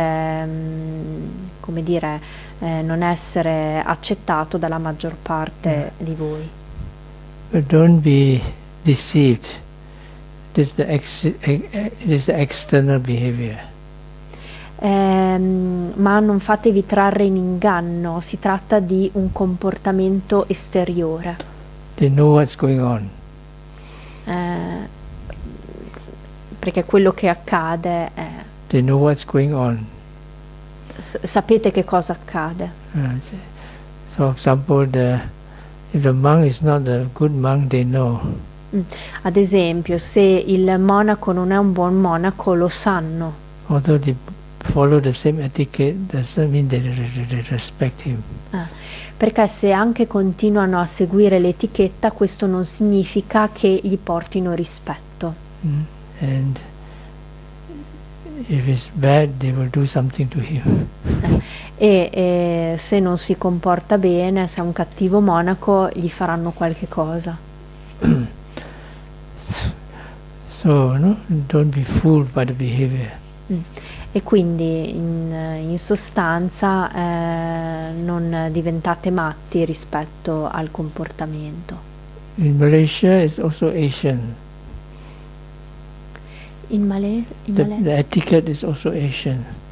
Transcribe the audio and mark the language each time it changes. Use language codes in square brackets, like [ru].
[it] Che potrebbe non essere accettato dalla maggior parte di voi. [en] But don't be deceived. This is the external behavior. [it] Ma non fatevi trarre in inganno, si tratta di un comportamento esteriore. [en] They know what's going on. [it] Perché quello che accade è... [en] They know what's going on. [it] Sapete che cosa accade. [en] So, for example, if the monk is not a good monk, they know. [it] Ad esempio, se il monaco non è un buon monaco, lo sanno. [en] Although they follow the same etiquette, doesn't mean they respect him. [it] Perché se anche continuano a seguire l'etichetta, questo non significa che gli portino rispetto. Mm. [en] And if it's bad, they will do something to him. [it] Se non si comporta bene, se è un cattivo monaco, gli faranno qualche cosa. [en] So, no, don't be fooled by the behavior. [it] E quindi in sostanza non diventate matti rispetto al comportamento. [en] In Malaysia is also Asian. [it] In Malaysia. [en] The etiquette is also Asian.